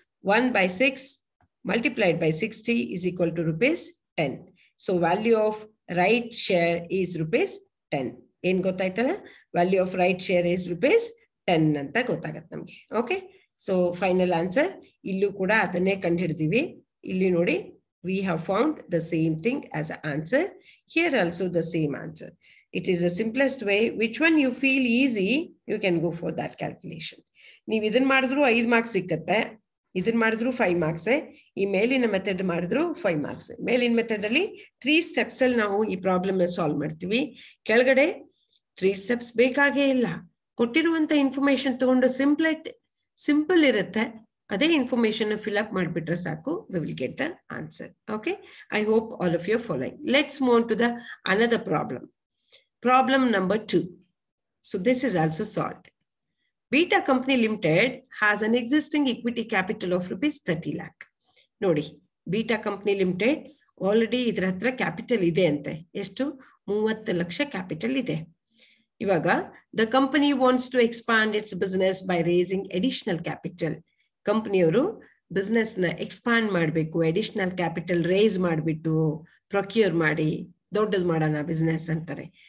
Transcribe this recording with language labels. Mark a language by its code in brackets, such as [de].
[en] 1/6 multiplied by 60 is equal to rupees 10. So value of right share is rupees 10. [kn] ಏನ್ ಗೊತ್ತಾಯ್ತಲ್ಲ, [en] value of right share is rupees 10 [kn] ಅಂತ ಗೊತ್ತಾಗತ್ತೆ ನಮ್ಗೆ. Okay, so final answer ಇಲ್ಲೂ ಕೂಡ ಅದನ್ನೇ ಕಂಡುಹಿಡಿದೀವಿ. ಇಲ್ಲಿ ನೋಡಿ, [en] We have found the same thing as a answer, here also the same answer. It is the simplest way, which one you feel easy you can go for that calculation. [kn] ನೀವು ಇದನ್ನ ಮಾಡಿದ್ರು 5 marks ಸಿಕ್ಕತ್ತೆ, ಇದನ್ನ ಮಾಡಿದ್ರು 5 marks, ಈ ಮೇಲಿನ method ಮಾಡಿದ್ರು 5 marks. ಮೇಲಿನ ಮೆಥಡ್ ಅಲ್ಲಿ 3 ಸ್ಟೆಪ್ಸ್ ಅಲ್ಲಿ ನಾವು ಈ ಪ್ರಾಬ್ಲಮ್ ಸಾಲ್ವ್ ಮಾಡ್ತೀವಿ. ಕೆಳಗಡೆ 3 ಸ್ಟೆಪ್ಸ್ ಬೇಕಾಗೇ ಇಲ್ಲ, ಕೊಟ್ಟಿರುವಂತ ಇನ್ಫಾರ್ಮೇಶನ್ ತಗೊಂಡು ಸಿಂಪಲ್ ಇರುತ್ತೆ, ಅದೇ ಇನ್ಫಾರ್ಮೇಶನ್ ಫಿಲ್ ಅಪ್ ಮಾಡಿಬಿಟ್ರೆ ಸಾಕು, [en] We will get the answer. Okay, I hope all of you following. Let's move on to the another problem, problem number 2. So this is also solved. Beta Company Limited has an existing equity capital of rupees 30 lakh. [kn] ನೋಡಿ, Beta Company Limited already ಇದ್ರ ಹತ್ರ capital ಇದೆ ಅಂತೆ. ಎಷ್ಟು? [en] 30 lakh [kn] capital ಇದೆ. ಇವಾಗ [en] The company wants to expand its business by raising additional capital. [kn] ಕಂಪನಿಯವರು ಬಿಸ್ನೆಸ್ನ expand ಮಾಡಬೇಕು, ಎಡಿಷನಲ್ ಕ್ಯಾಪಿಟಲ್ ರೇಸ್ ಮಾಡಿಬಿಟ್ಟು ಪ್ರೊಕ್ಯೂರ್ ಮಾಡಿ ದೊಡ್ಡದು ಮಾಡೋಣ ಬಿಸ್ನೆಸ್ ಅಂತಾರೆ.